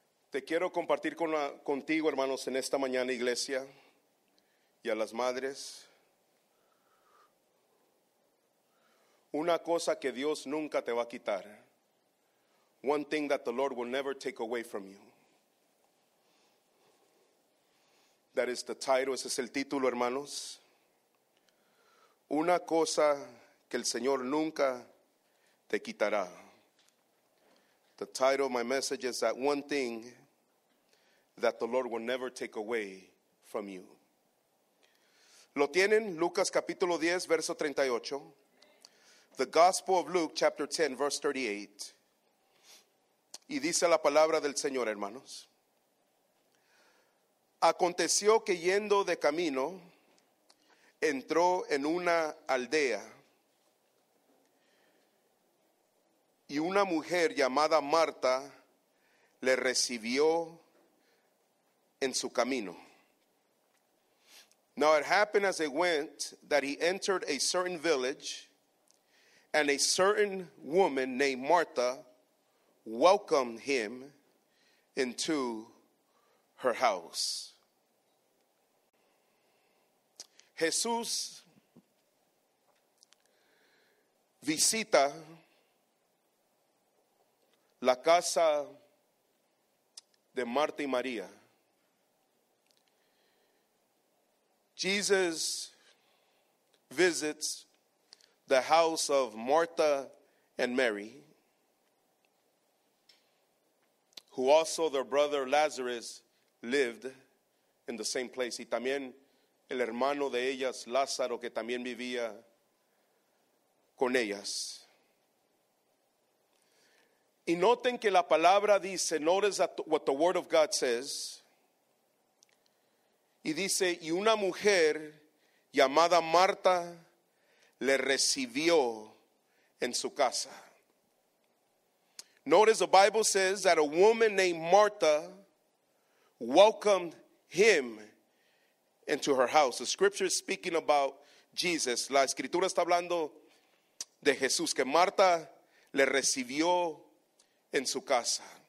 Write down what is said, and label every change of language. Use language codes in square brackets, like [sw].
[es] Te quiero compartir contigo, hermanos, en esta mañana, iglesia, y a las madres, una cosa que Dios nunca te va a quitar. [en] One thing that the Lord will never take away from you. That is the title, [es] ese es el título, hermanos. Una cosa que el Señor nunca te quitará. [en] The title of my message is that one thing that the Lord will never take away from you. [es] ¿Lo tienen? Lucas capítulo 10, verso 38. [en] The Gospel of Luke, chapter 10, verse 38. [es] Y dice la palabra del Señor, hermanos. Aconteció que yendo de camino, entró en una aldea y una mujer llamada Marta le recibió en su camino. [en] Now it happened as they went that he entered a certain village and a certain woman named Martha welcomed him into her house. [es] Jesús visita la casa de Marta y María. [en] Jesus visits the house of Martha and Mary, who also their brother Lazarus lived in the same place. [es] Y también el hermano de ellas, Lázaro, que también vivía con ellas. Y noten que la palabra dice, [en] notice that what the word of God says, [es] y dice, y una mujer llamada Marta le recibió en su casa. [en] Notice the Bible says that a woman named Martha welcomed him into her house. The scripture is speaking about Jesus. [es] La escritura está hablando de Jesús, que Marta le recibió en su casa.